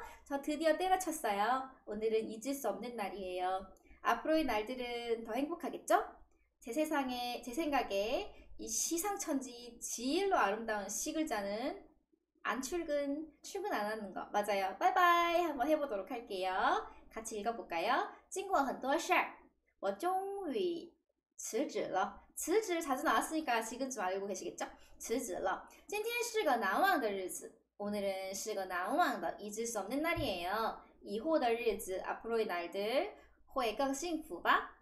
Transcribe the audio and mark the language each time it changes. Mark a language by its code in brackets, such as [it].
[ko] 저 드디어 때마쳤어요. 오늘은 잊을 수 없는 날이에요. 앞으로의 날들은 더 행복하겠죠? 제 생각에 이 시상천지 제일로 아름다운 시 글자는 안 출근, 출근 안 하는 거. 맞아요. 빠이빠이 한번 해보도록 할게요. 같이 읽어볼까요? [zh] 经过很多事儿, 我终于 辞职了，辞职 [ko] 자주 나왔으니까 지금 좀 알고 계시겠죠? [zh] 辞职了，今天是个难忘的日子。 [ko] 오늘은 [zh] 是个难忘的 [ko] 잊을 수 없는 날이에요. [zh] 以后的日子 [ko] 앞으로의 날들 [zh] 会更幸福吧？